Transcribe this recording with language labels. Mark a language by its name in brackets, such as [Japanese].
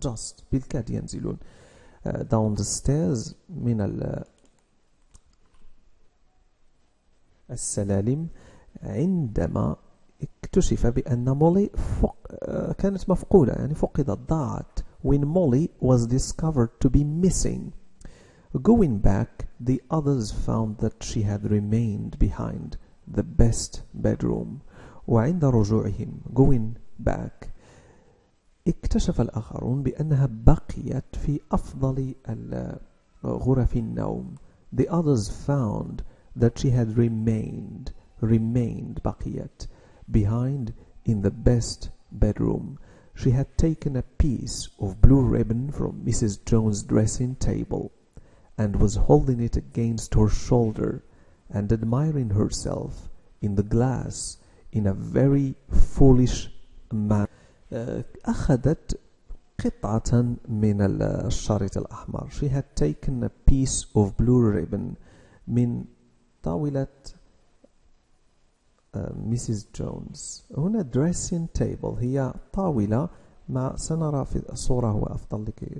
[Arabic] Just بالكاد ينزلون. [English] Down the stairs [Arabic] من السلالم. عندما اكتشف بأن مولي كانت مفقودة, يعني فقدت, ضاعت. [English] When Molly was discovered to be missing. Going back, the others found that she had remained behind the best bedroom. [Arabic] وعند رجوعهم, [English] going back, [Arabic] اكتشف الآخرون بأنها بقيت في أفضل غرف النوم. [English] The others found that she had remained بقيت behind in the best bedroom. She had taken a piece of blue ribbon from Mrs. Jones' dressing table and was holding it against her shoulder and admiring herself in the glass in a very foolish manner. [Arabic] أخذت قطعة من الشريط الأحمر. [English] She had taken a piece of blue ribbon [Arabic] من طاولة [English] Mrs. Jones. [Arabic] هنا dressing table هي طاولة مع سنرى في الصورة هو أفضل لك.